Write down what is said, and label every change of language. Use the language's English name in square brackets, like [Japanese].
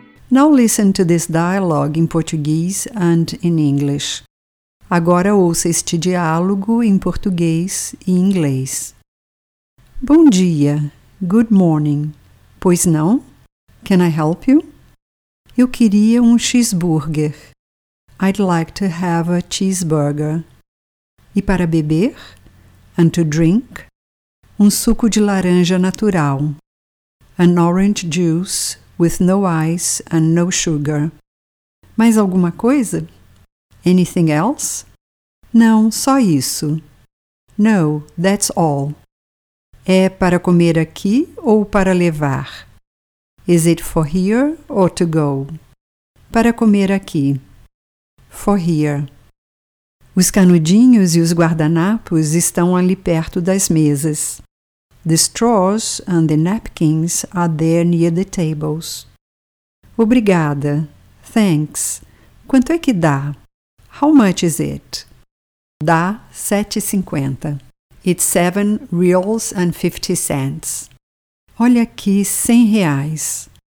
[English] Now listen to this dialogue in Portuguese and in English. [Portuguese] Agora ouça este diálogo em português e inglês. Bom dia. [English] Good morning. [Portuguese] Pois não? [English] Can I help you? [Portuguese] Eu queria cheeseburger. [English] I'd like to have a cheeseburger. [Portuguese] E para beber? [English] And to drink? [Portuguese] Suco de laranja natural. [English] An orange juice with no ice and no sugar. [Portuguese] Mais alguma coisa? [English] Anything else? [Portuguese] Não, só isso. [English] No, that's all. [Portuguese] É para comer aqui ou para levar? [English] Is it for here or to go? [Portuguese] Para comer aqui. [English] For here. [Portuguese] Os canudinhos e os guardanapos estão ali perto das mesas. [English] The straws and the napkins are there near the tables. [Portuguese] Obrigada. [English] Thanks. [Portuguese] Quanto é que dá? [English] How much is it? [Portuguese] Dá 7,50. [English] It's 7 reals and 50 cents. [Portuguese] Olha aqui, 100 reais.